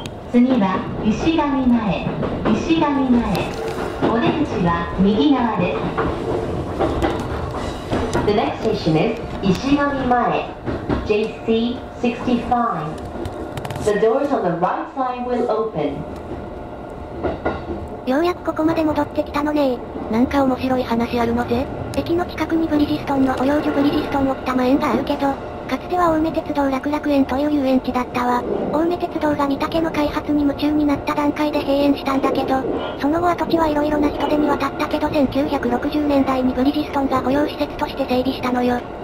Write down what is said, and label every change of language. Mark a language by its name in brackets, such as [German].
[Japanese] 次は石神前、石神前、お出口は右側です。 [English] The next station is 石神前、 JC65. The doors on the right side will open。 [Japanese] ようやくここまで戻ってきたのねえ。なんか面白い話あるのぜ。駅の近くにブリヂストンの保養所ブリヂストン奥多摩園があるけど、かつては青梅鉄道楽楽園という遊園地だったわ。青梅鉄道が御嶽の開発に夢中になった段階で閉園したんだけど、その後跡地はいろいろな人手に渡ったけど、1960年代にブリヂストンが保養施設として整備したのよ。